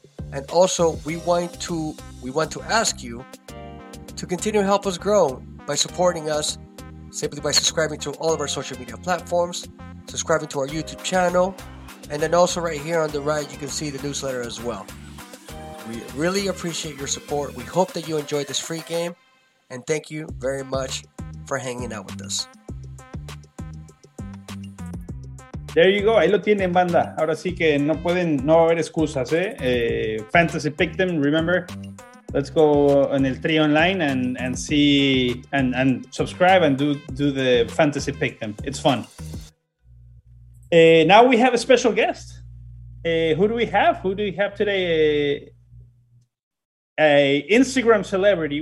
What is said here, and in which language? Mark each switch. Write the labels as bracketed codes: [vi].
[en] And also, we want to ask you to continue to help us grow by supporting us simply by subscribing to all of our social media platforms, subscribing to our YouTube channel, and then also right here on the right, you can see the newsletter as well. We really appreciate your support. We hope that you enjoyed this free game, and thank you very much for hanging out with us. There you go. [es] Ahí lo tienen, banda. Ahora sí que no pueden, no va a haber excusas, ¿eh? [en] Fantasy Pick'em, remember? Let's go on El Tri Online and see and subscribe and do the Fantasy Pick'em. It's fun. Now we have a special guest. Who do we have? Who do we have today? A Instagram celebrity.